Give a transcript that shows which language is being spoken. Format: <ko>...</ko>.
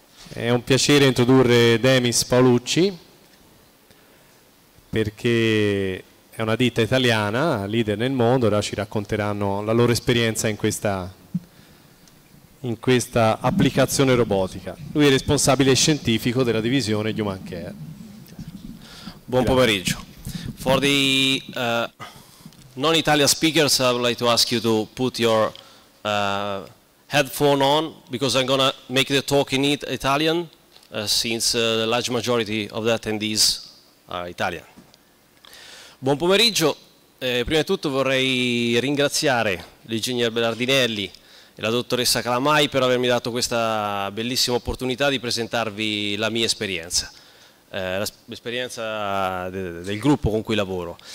<it>È un piacere introdurre Demis Paolucci, perché è una ditta italiana, leader nel mondo, ora ci racconteranno la loro esperienza in questa applicazione robotica. Lui è responsabile scientifico della divisione Human Care. Buon pomeriggio.</it> <en>For the non-Italian speakers, I would like to ask you to put your headphone on because I'm going to make the talk in Italian since the large majority of the attendees are Italian.</en> <it>Buon pomeriggio. Prima di tutto vorrei ringraziare l'ingegner Bernardinelli e la dottoressa Calamai per avermi dato questa bellissima opportunità di presentarvi la mia esperienza, l'esperienza del gruppo con cui lavoro.</it>